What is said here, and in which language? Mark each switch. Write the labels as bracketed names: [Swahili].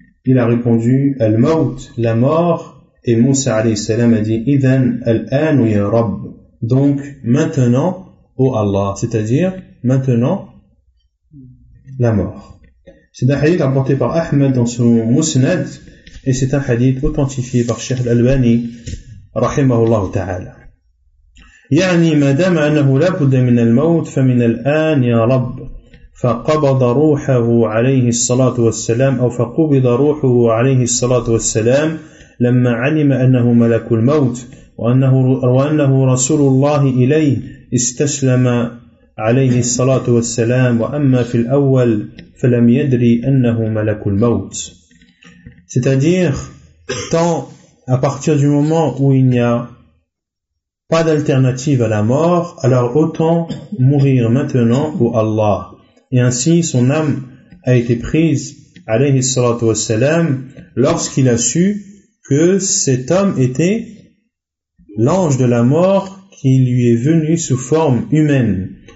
[French] Il a répondu, [Arabic] al-maut, [French] la mort, et Moussa alayhi salam a dit, [Arabic] idhan al-an ya rabb, [French] donc maintenant, ô Allah, c'est-à-dire maintenant, la mort. C'est un hadith apporté par Ahmed dans son Musnad, et c'est un hadith authentifié par Cheikh Al-Albani, rahimahullah ta'ala. [Arabic] يعني ما دام أنه لابد من الموت فمن الآن يا رب فقبض روحه عليه الصلاة والسلام أو فقبض روحه عليه الصلاة والسلام لما علم أنه ملك الموت وأنه رسول الله إليه استسلم عليه الصلاة والسلام وأما في الأول فلم يدري أنه ملك الموت. [French] C'est-à-dire tant à partir du moment où il n'y a pas d'alternative à la mort, alors autant mourir maintenant pour Allah. Et ainsi, son âme a été prise, alayhi salatu wassalam, lorsqu'il a su que cet homme était l'ange de la mort qui lui est venu sous forme humaine.